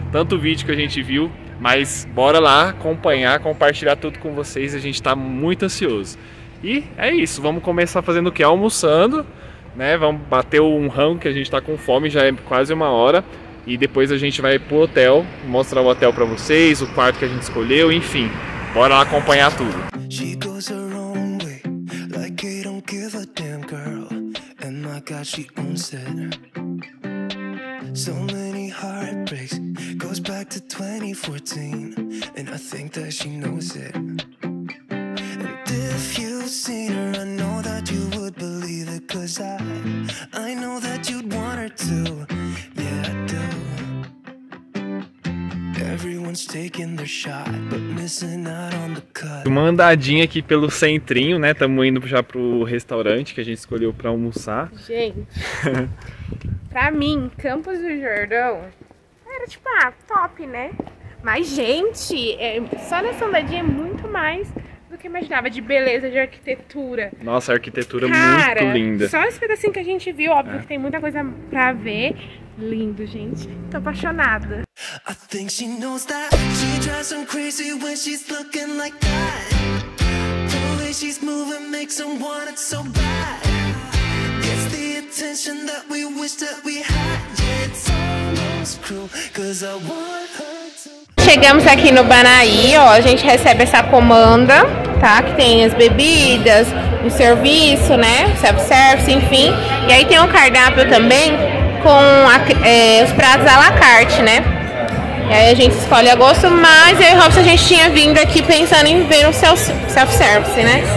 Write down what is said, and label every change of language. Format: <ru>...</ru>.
<pt>Tanto vídeo que a gente viu, mas bora lá acompanhar, compartilhar tudo com vocês, a gente tá muito ansioso. E é isso, vamos começar fazendo o que? Almoçando, né? Vamos bater um rango que a gente tá com fome, já é quase uma hora. E depois a gente vai pro hotel, mostrar o hotel pra vocês, o quarto que a gente escolheu, enfim. Bora lá acompanhar tudo.</pt> <en>She goes her own way, like I don't give a damn girl. And my God, she owns it. So many heartbreaks, goes back to 2014. And I think that she knows it. If you've seen her, I know that you would believe it. Cause I know that you'd want her to. Yeah, I do. Everyone's taking their shot, but missing out on the cut.</en> <pt>Uma andadinha aqui pelo centrinho, né? Tamo indo já pro restaurante que a gente escolheu pra almoçar. Gente, pra mim, Campos do Jordão era tipo, top, né? Mas, gente, só nessa andadinha é muito mais... do que imaginava, de beleza, de arquitetura. Nossa, a arquitetura é muito linda. Só esse pedacinho que a gente viu, óbvio que tem muita coisa pra ver. Lindo, gente. Tô apaixonada.</pt> <en>I think she knows that she drives them crazy when she's looking like that. The way she's moving makes them want it so bad. It's the attention that we wish that we had. Yeah, it's almost cruel, cause I want her.</en> <pt>Chegamos aqui no Banaí, ó, a gente recebe essa comanda, tá? Que tem as bebidas, o serviço, né? Self-service, enfim. E aí tem um cardápio também com os pratos à la carte, né? E aí a gente escolhe a gosto, mas eu e o Robson a gente tinha vindo aqui pensando em ver o self-service, né?</pt>